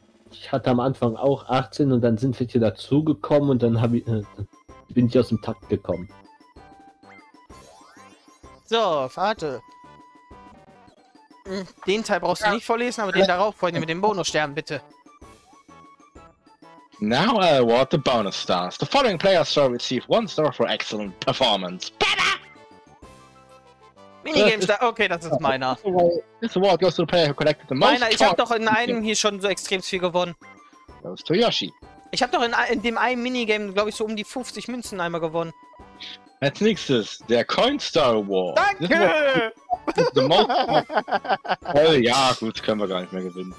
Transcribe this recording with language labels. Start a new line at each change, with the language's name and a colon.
German: Ich hatte am Anfang auch 18 und dann sind wir hier dazugekommen und dann bin ich aus dem Takt gekommen. So, warte. Den Teil brauchst du nicht vorlesen, aber den darauf vorhin mit dem Bonusstern, bitte.
English: Now I award the bonus stars. The following players shall receive 1 star for excellent performance. Bada!
German: Minigame Star, okay, das ist meiner.
English: This award goes to the player who collected the most.
German: Meiner, ich hab doch in einem hier schon so extrem viel gewonnen.
English: Goes to Yoshi.
German: Ich hab doch in dem einen Minigame, glaube ich, so um die 50 Münzen einmal gewonnen. Als nächstes, der Coinstar Award. Danke! Oh ja, gut, können wir gar nicht mehr gewinnen.